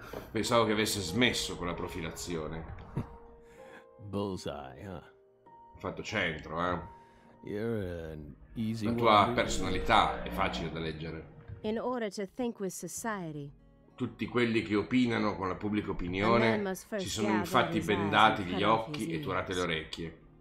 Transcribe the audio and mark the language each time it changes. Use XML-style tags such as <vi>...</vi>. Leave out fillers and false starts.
<it>Pensavo che avesse smesso con la profilazione.</it> <en>Bullseye,</en> <it>fatto centro, La tua personalità è facile da leggere.</it> <en>In order to think with society.</en> <it>Tutti quelli che opinano con la pubblica opinione si sono infatti bendati gli occhi e turate le orecchie.</it>